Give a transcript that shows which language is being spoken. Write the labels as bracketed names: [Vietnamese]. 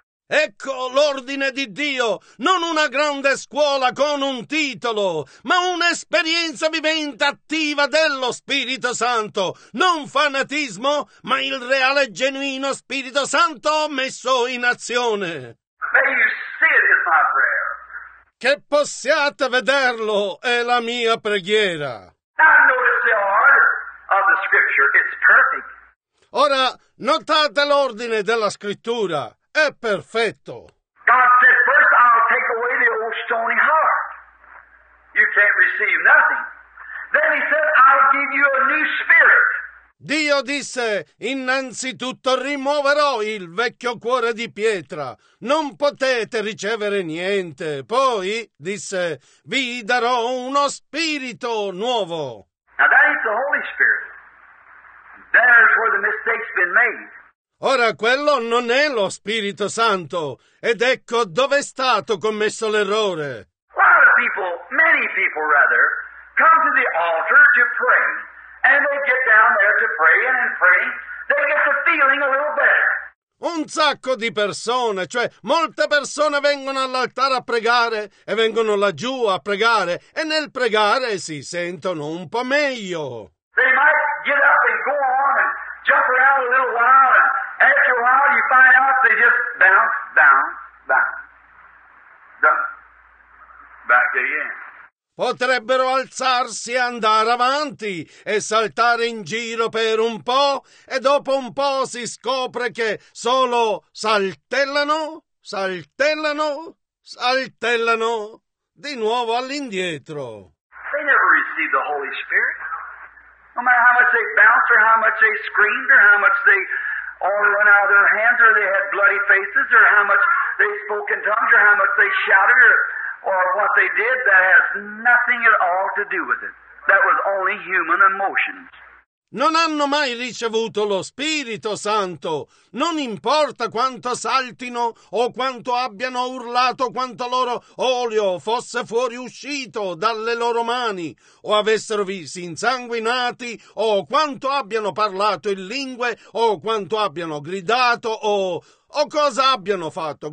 [Italian] Ecco l'ordine di Dio, non una grande scuola con un titolo, ma un'esperienza vivente attiva dello Spirito Santo, non fanatismo, ma il reale e genuino Spirito Santo messo in azione. [English] May you see it is my prayer. [Italian] Che possiate vederlo è la mia preghiera. [English] Now notice the order. of the scripture. It's perfect. [Italian] Ora, notate l'ordine della scrittura. È perfetto. [English] God said, first I'll take away the old stony heart. You can't receive nothing. Then he said, I'll give you a new spirit. [Italian] Dio disse, innanzitutto rimuoverò il vecchio cuore di pietra. Non potete ricevere niente. Poi, disse, vi darò uno spirito nuovo. [English] Now that is the Holy Spirit. That is where the mistake's been made. [Italian] Ora quello non è lo Spirito Santo. Ed ecco dove è stato commesso l'errore. [English] A lot of people, many people rather, come to the altar to pray. And they get down there to pray, and in praying, they get the feeling a little better. [Italian] Un sacco di persone, cioè molte persone vengono all'altare a pregare e vengono laggiù a pregare, e nel pregare si sentono un po' meglio. [English] They might get up and go on and jump around a little while, and after a while you find out they just bounce, bounce, bounce. Back again. [Italian] Potrebbero alzarsi e andare avanti e saltare in giro per un po', e dopo un po' si scopre che solo saltellano, saltellano, saltellano, di nuovo all'indietro. [English] They never received the Holy Spirit. No matter how much they bounced, or how much they screamed, or how much they all run out of their hands, or they had bloody faces, or how much they spoke in tongues, or how much they shouted, or what they did, that has nothing at all to do with it. That was only human emotions. [Italian] Non hanno mai ricevuto lo Spirito Santo. Non importa quanto saltino, o quanto abbiano urlato, quanto loro olio fosse fuori uscito dalle loro mani, o avessero visi insanguinati, o quanto abbiano parlato in lingue, o quanto abbiano gridato, o cosa abbiano fatto.